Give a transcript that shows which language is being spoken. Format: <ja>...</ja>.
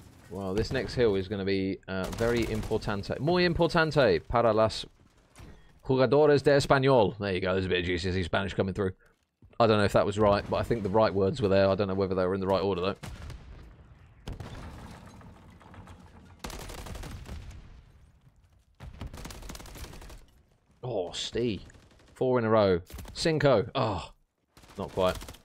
<en>Well, this next hill is going to be very</en> <es>importante. Muy importante para las jugadores de español.</es> <en>There you go. There's a bit of GCSE Spanish coming through. I don't know if that was right, but I think the right words were there. I don't know whether they were in the right order, though. Oh, Stee. Four in a row. Cinco. Oh, not quite.</en>